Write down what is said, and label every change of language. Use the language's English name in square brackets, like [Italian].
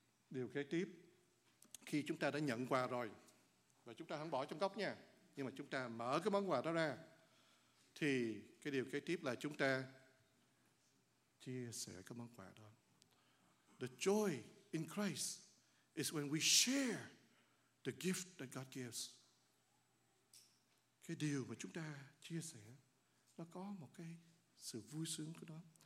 [Vietnamese] điều kế tiếp, khi chúng ta đã nhận quà rồi và chúng ta không bỏ trong góc nha, nhưng mà chúng ta mở cái món quà đó ra, thì cái điều kế tiếp là chúng ta chia sẻ cái món quà đó. [English] The joy in Christ is when we share the gift that God gives. [Vietnamese] Cái điều mà chúng ta chia sẻ, nó có một cái sự vui sướng của nó.